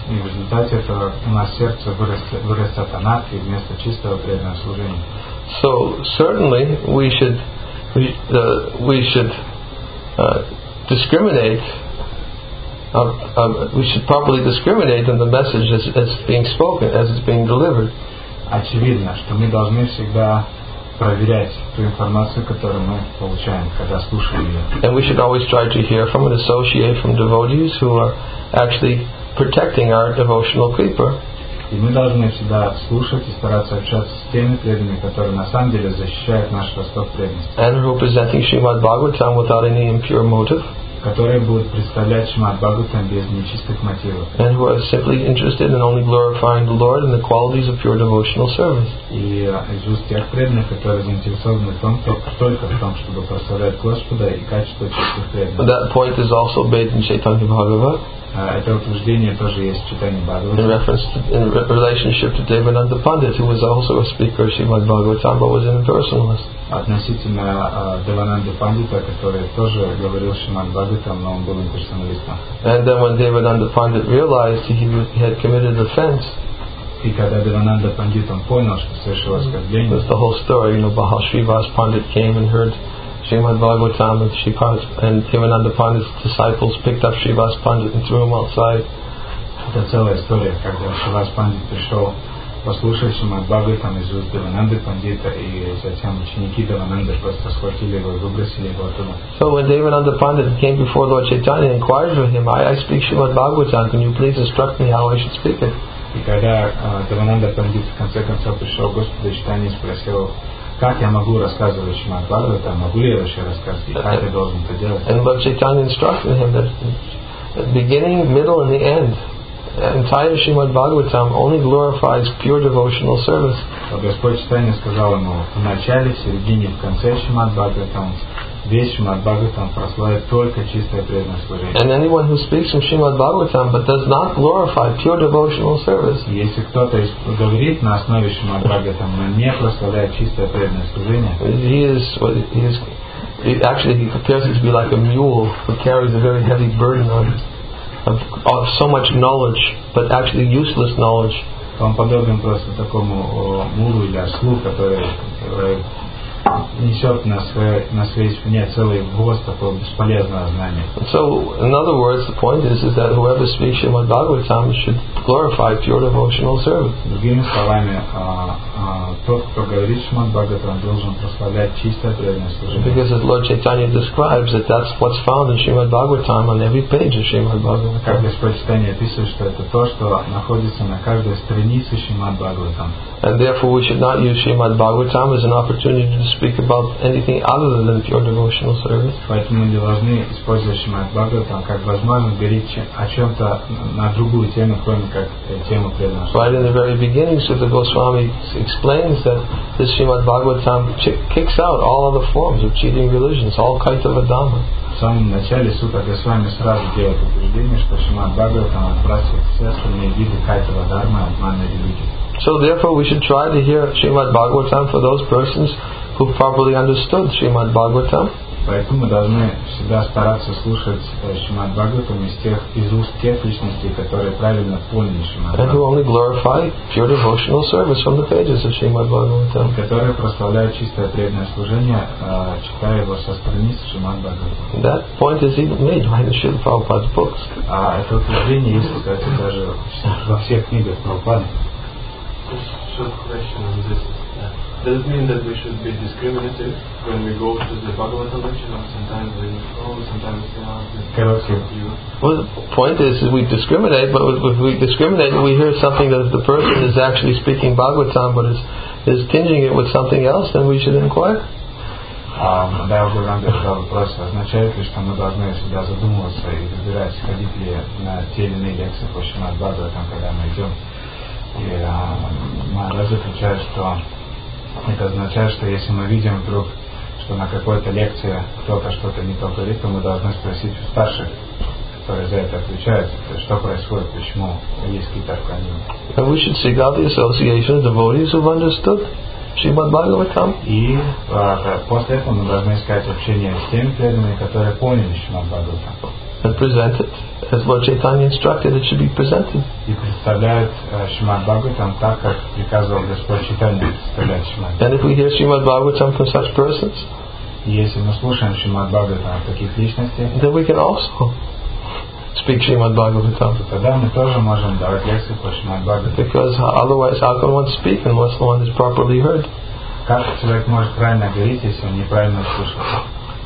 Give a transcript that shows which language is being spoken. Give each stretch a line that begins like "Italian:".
Russian: И в результате этого у нас сердце вырастет анархия вместо чистого преданного служения.
English: So certainly we should properly discriminate in the message as being spoken, as it's being delivered.
Russian: Очевидно, что мы должны всегда проверять ту информацию, которую мы получаем, когда слушаем ее.
English: And we should always try to hear from and associate from devotees who are actually protecting our devotional keeper.
Russian: И мы должны всегда слушать и стараться общаться с теми преданными, которые на самом деле защищают наш росток преданности.
English: And who are presenting Srimad Bhagavatam without any impure motive.
Russian: которые будут представлять Шримад Бхагаватам без нечистых мотивов.
English: And who are simply interested in only glorifying the Lord and the qualities of pure devotional service.
Russian: И из уст тех преданных, которые заинтересованы в том, только в том, чтобы прославлять Господа и качество чистых преданных.
English: That point is also made in Chaitanya Bhagavat.
Russian: Это утверждение тоже есть в Чайтанье Бхагаватам.
English: In reference to, in relationship to Devananda Pandit, who was also a speaker of Shrimad Bhagavatam, but was an impersonalist.
Russian: Относительно Девананды Пандита, который тоже говорил Шримад Бхагаватам, но он был имперсоналистом.
English: And then when Devananda Pandit realized he had committed offense,
Russian: и когда Девананда Пандит понял, что совершил оскорбление,
English: there's the whole story, you know, about how Shrivas Pandit came and heard Shrimad Bhagavatam and Shripas and Devananda Pandit's disciples picked up Shrivas Pandit and threw him outside.
Russian: Это целая история, когда Шривас Пандит пришел послушал Шримад Бхагаватам из уст Девананды Пандита, и затем ученики Девананды просто схватили его и выбросили его оттуда.
English: So when Devananda Pandit came before Lord Chaitanya and inquired for him, I speak Shrimad Bhagavatam, can you please instruct me how I should speak it?
Russian: И когда Девананда Пандит в конце концов пришел к Господу Чайтанье и спросил, как я могу рассказывать Шримад Бхагаватам, могу ли я вообще рассказывать, как я должен это делать?
English: And Lord Chaitanya instructed him that beginning, middle and the end, entire Shrimad Bhagavatam only glorifies pure devotional service.
Russian: Господь Чайтанья сказал ему, в начале, в середине, в конце Шримад Бхагаватам, весь Шримад Бхагаватам прославляет только чистое преданное служение.
English: And anyone who speaks from Shrimad Bhagavatam but does not glorify pure devotional service.
Russian: Если кто-то говорит на основе Шримад Бхагаватам, но не прославляет чистое преданное служение,
English: he appears to be like a mule who carries a very heavy burden on him. Of so much knowledge, but actually useless knowledge.
Russian: Он подобен просто такому мулу или ослу, который несет на своей спине целый воз такого бесполезного знания.
English: So, in other words, the point is that whoever speaks Shrimad Bhagavatam should glorify pure devotional service.
Russian: Другими словами, тот, кто говорит Шримад Бхагаватам, должен прославлять чистое преданное служение.
English: Because as Lord Chaitanya describes it, that's what's found in Shrimad Bhagavatam on every page of Shrimad Bhagavatam.
Russian: Как Господь Chaitanya описывает, что это то, что находится на каждой странице Шримад Бхагаватам.
English: And therefore we should not use Shrimad Bhagavatam as an opportunity to speak about anything other than pure devotional service.
Russian: Поэтому мы должны использовать Шримад Бхагаватам как возможность говорить о чем-то на другую тему, кроме как тему преданного служения.
English: Right in the very beginning, Sutta Goswami explains that this Shrimad Bhagavatam kicks out all other forms of cheating religions, all kinds of dhamma.
Russian: В самом начале Сута Госвами сразу делает утверждение, что Шримад Бхагаватам отбрасывает все остальные виды кайтава дхармы, обманной религии.
English: So therefore we should try to hear Srimad Bhagavatam for those persons who properly understood Srimad Bhagavatam.
Russian: Поэтому мы должны всегда стараться слушать Шримад Бхагаватам из уст тех личностей, которые правильно поняли Шримад Бхагаватам.
English: And who only glorify pure devotional service from the pages of Srimad Bhagavatam.
Russian: Которые прославляют чистое преданное служение, читая его со страниц Шримад Бхагаватам.
English: That point is even made by the Srila Prabhupada's books.
Russian: А это утверждение есть, кстати, даже во всех книгах Прабхупады.
English: Just a short question on this. Does it mean that we should be discriminative when we go to the Bhagavatam lecture, or sometimes we follow, sometimes we ask this view? Well, the point is we discriminate, but if we discriminate, we hear something that the person is actually speaking Bhagavatam, but is tinging it with something else, then we should inquire.
Russian: Да, я уже вам задал вопрос. Означает ли, что мы должны всегда задумываться и выбирать, ходить ли на те или иные лекции по Шримад Бхагаватам, когда мы идем? И разве означает, что это означает, что если мы видим вдруг, что на какой-то лекции кто-то что-то не то говорит, то мы должны спросить у старших, которые за это отвечают, что происходит, почему есть какие-то отклонения.
English: We should seek out the association of devotees who've understood Shrimad Bhagavatam.
Russian: И после этого мы должны искать общение с теми преданными, которые поняли Shrimad Bhagavatam.
English: And present it as Lord Chaitanya instructed it should be presented.
Russian: И представляют Шримад Бхагаватам так, как приказывал Господь Чайтанья представлять Шримад Бхагаватам.
English: And if we hear Shrimad Bhagaватам from such persons,
Russian: если мы слушаем Шримад Бхагаватам таких личностей,
English: then we can also speak Shrimad Bhagaватам.
Russian: Тогда мы тоже можем давать лекции по Шримад Бхагаватам.
English: Because otherwise, how can one speak unless one is properly heard?
Russian: Как человек может правильно говорить, если он неправильно слушает?